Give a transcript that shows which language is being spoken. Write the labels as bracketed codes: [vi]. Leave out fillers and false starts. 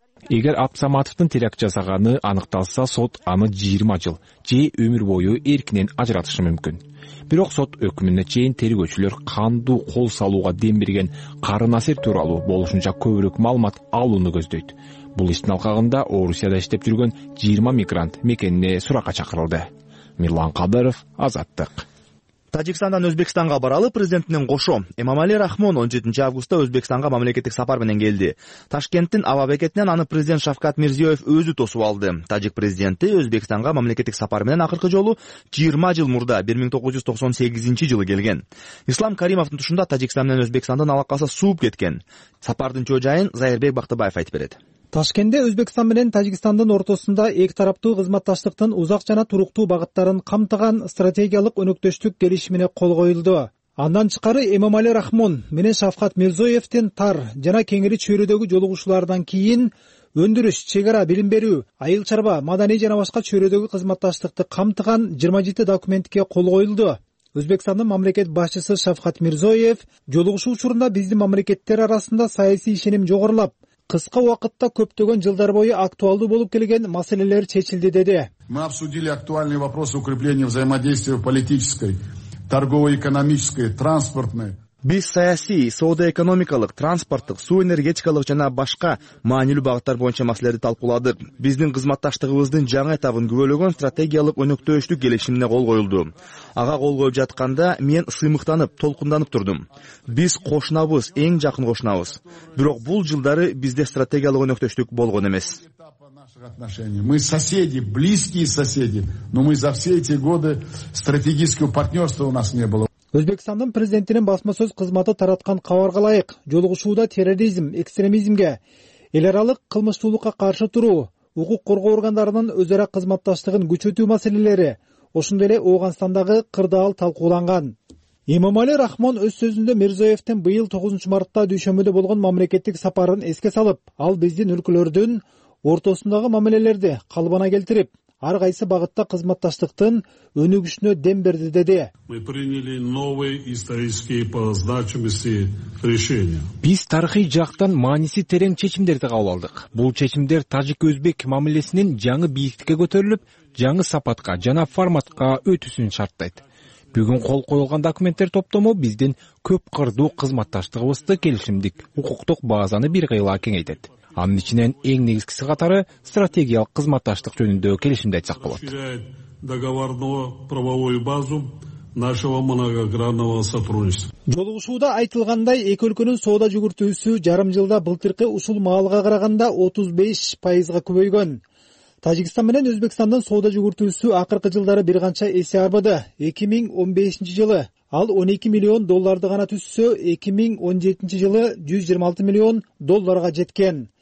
[ky] Эгер Абдысаматовдун теракт жасаганы аныкталса, сот аны 20 жыл же өмүр бою эркинен ажыратышы мүмкүн. Бирок сот өкүмүнө чейин тергөөчүлөр кандуу кол салууга дем берген Кары Насир тууралуу болушунча көбүрөөк маалымат алууну көздөйт. Бул иштин алкагында Орусияда иштеп жүргөн 20 мигрант мекенине суракка чакырылды. Мирлан Кадыров, Азаттык. Тажикстандан Өзбекстанга баралы президентинин кошо Эмомали Рахмон 17 августта Өзбекстанга мамлекеттик сапар менен келди. Ташкенттин аба бекетинен аны президент Шавкат Мирзиёев өзү тосуп алды. Тажик президенти Өзбекстанга мамлекеттик сапар менен акыркы жолу 20 жыл мурда 1998 жылы келген. Ислам Каримовдун тушунда Тажикстан менен Өзбекстандын алакасы сууп кеткен. Сапардын чоо жайын Зайырбек Бактыбаев айтып берет. Ташкенде Өзбекстан менен Тажикстандын ортосунда эки тараптуу кызматташтыктын узак жана туруктуу багыттарын камтыган стратегиялык өнөктөштүк келишимине кол коюлду. Андан тышкары Эмомали Рахмон менен Шавкат Мирзиёевдин тар жана кеңири чөйрөдөгү жолугушуулардан кийин өндүрүш, чек ара, билим берүү, айыл чарба, маданий жана башка чөйрөдөгү кызматташтыкты камтыган 27 документке кол коюлду. Өзбекстандын мамлекет башчысы Шавкат Мирзиёев жолугушуу учурунда биздин мамлекеттер арасында саясий ишеним жогорулап, кыска убакытта көптөгөн жылдар бою актуалдуу болуп келген маселелер чечилди деди. [ru] Мы обсудили актуальные вопросы укрепления взаимодействия политической, торгово-экономической, транспортной. [ky] Биз саясий, соода экономикалык, транспорттук, суу энергетикалык жана башка маанилүү багыттар боюнча маселелерди талкууладык. Биздин кызматташтыгыбыздын жаңы этабын күбөлөгөн стратегиялык өнөктөштүк келишимине кол коюлду. Ага кол коюп жатканда мен сыймыктанып, толкунданып турдум. Биз кошунабыз, эң жакын кошунабыз. Бирок бул жылдары бизде стратегиялык өнөктөштүк болгон эмес. [ru] Отношения. Мы соседи, близкие соседи, но мы за все эти годы стратегического партнерства у нас не было. [ky] Өзбекстандын президентинин басма сөз кызматы тараткан кабарга ылайык, жолугушууда терроризм, экстремизмге, эл аралык кылмыштуулукка каршы туруу, укук коргоо органдарынын өз ара кызматташтыгын күчөтүү маселелери, ошондой эле Ооганстандагы кырдаал талкууланган. Имамали Рахмон өз сөзүндө Мирзоевтин быйыл 9-мартта дүйшөмбүдө болгон мамлекеттик сапарын эске салып, ал биздин өлкөлөрдүн ортосундагы мамилелерди калыбына келтирип, ар кайсы багытта кызматташтыктын өнүгүшүнө дем берди деди. [ru] Мы приняли новые исторические по значимости решения. [ky] Биз тарыхый жактан мааниси терең чечимдерди кабыл алдык. Бул чечимдер тажик-өзбек мамилесинин жаңы бийиктикке көтөрүлүп, жаңы сапатка жана форматка өтүүсүн шарттайт. Бүгүн кол коюлган документтер топтому биздин көп кырдуу кызматташтыгыбызды келишимдик укуктук базаны бир кыйла кеңейтет. Анын ичинен эң негизгиси катары стратегиялык кызматташтык жөнүндө келишимди айтсак болот. [ru] Договорную правовую базу нашего многогранного сотрудничества. [ky] Жолугушууда айтылгандай, эки өлкөнүн соода жүгүртүүсү жарым жылда былтыркы ушул маалга караганда 35% көбөйгөн. Тажикстан менен Өзбекстандын соода жүгүртүүсү акыркы жылдары бир канча эсе арбады. 2015-жылы ал 12 миллион долларды гана түзсө, 2017-жылы 126 миллион долларга жеткен.